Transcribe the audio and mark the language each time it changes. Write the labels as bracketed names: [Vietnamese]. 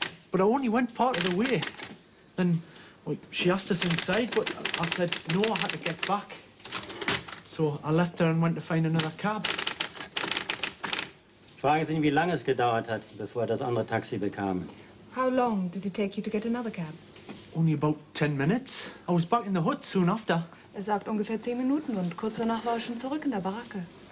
[English] But I only went part of the way. Then she asked us inside, but I said no, I had to get back. So I left her and went to find another cab. [German] Fragen Sie ihn, wie lange es gedauert hat, bevor er das andere Taxi bekam. [English] How long did it take you to get another cab? Only about 10 minutes. I was back in the hut soon after. [German] Er sagt ungefähr 10 Minuten und kurz danach war er schon zurück in der Baracke.